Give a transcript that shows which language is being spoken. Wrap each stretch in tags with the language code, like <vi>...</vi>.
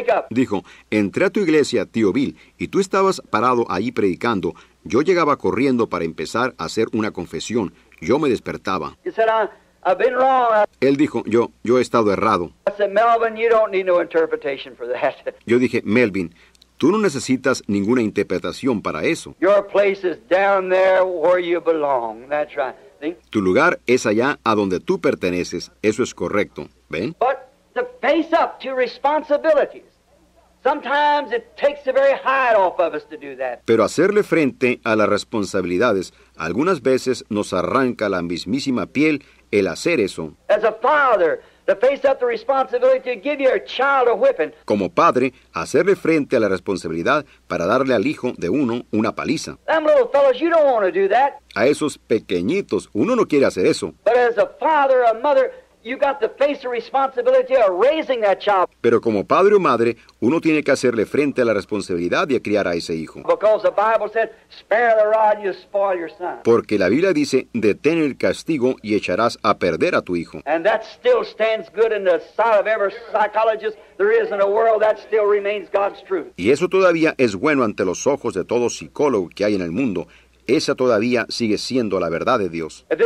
<es>Dijo: entré a tu iglesia, tío Bill, y tú estabas parado ahí predicando. Yo llegaba corriendo para empezar a hacer una confesión. Yo me despertaba.</es> <en>I've been wrong.</en> <es>Él dijo: yo he estado errado.</es> <en>I said, Melvin, you don't need no interpretation for that.</en> <es>Yo dije: Melvin, tú no necesitas ninguna interpretación para eso.</es> <en>Your place is down there where you belong. That's right. See?</en> <es>Tu lugar es allá a donde tú perteneces. Eso es correcto. ¿Ven?</es> <en>But to face up to responsibilities. Sometimes it takes the very hide off of us to do that.</en> <es>Pero hacerle frente a las responsabilidades, algunas veces nos arranca la mismísima piel el hacer eso.</es> <en>As a father, to face up the responsibility to give your child a whipping.</en> <es>Como padre, hacerle frente a la responsabilidad para darle al hijo de uno una paliza.</es> <en>Them little fellows, you don't want to do that.</en> <es>A esos pequeñitos, uno no quiere hacer eso.</es> <en>But as a father, a mother, you got to face the responsibility of raising that child.</en> <es>Pero como padre o madre, uno tiene que hacerle frente a la responsabilidad de criar a ese hijo.</es> <en>Because the Bible said, spare the rod, you spoil your son.</en> <es>Porque la Biblia dice, detén el castigo y echarás a perder a tu hijo.</es> <en>And that still stands good in the sight of every psychologist there is in the world. That still remains God's truth.</en> <es>Y eso todavía es bueno ante los ojos de todo psicólogo que hay en el mundo. Esa todavía sigue siendo la verdad de Dios.</es>